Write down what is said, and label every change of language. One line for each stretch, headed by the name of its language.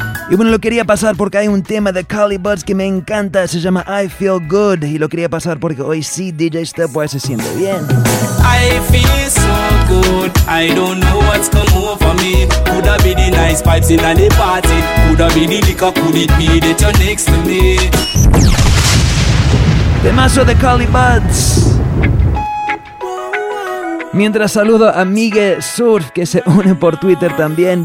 Spanish: Y bueno, lo quería pasar porque hay un tema de Cali Buds que me encanta. Se llama I Feel Good. Y lo quería pasar porque hoy sí DJ Stepwise se siente bien.
English: I feel so good. I don't know what's come over me. Could have been the nice vibes in the party. Could have been the liquor. Could it be that you're next to me?
Spanish: Temazo de Cali Buds. Mientras saludo a Miguel Surf que se une por Twitter también.